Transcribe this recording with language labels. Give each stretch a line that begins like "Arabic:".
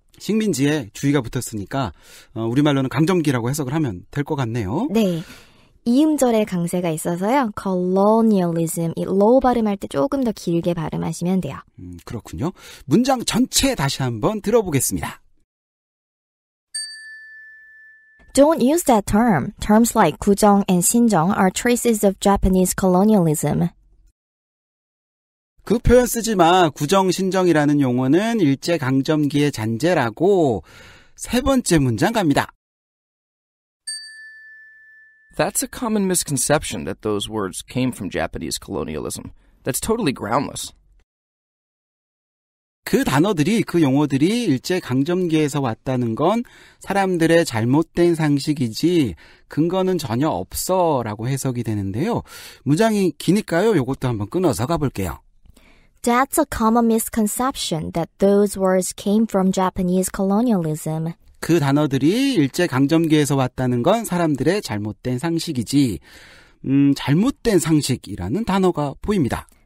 Korean: 식민지에 주의가 붙었으니까 우리말로는 강점기라고 해석을 하면 될 것 같네요. 네. 이음절의 강세가 있어서요. colonialism, 이 low 발음할 때 조금 더 길게 발음하시면 돼요. 그렇군요. 문장 전체 다시 한번 들어보겠습니다.
English: Don't use that term. Terms like 구정 and 신정 are traces of Japanese colonialism.
Korean: 그 표현 쓰지 마. 구정, 신정이라는 용어는 일제강점기의 잔재라고 세 번째 문장 갑니다.
English: That's a common misconception that those words came from Japanese colonialism. That's totally groundless.
Korean: 그 단어들이, 그 용어들이 일제강점기에서 왔다는 건 사람들의 잘못된 상식이지 근거는 전혀 없어 라고 해석이 되는데요. 문장이 기니까요. 이것도 한번 끊어서 가볼게요. That's a common misconception that those words came from Japanese colonialism. 그 단어들이 일제강점기에서 왔다는 건 사람들의 잘못된 상식이지. 잘못된 상식이라는 단어가 보입니다.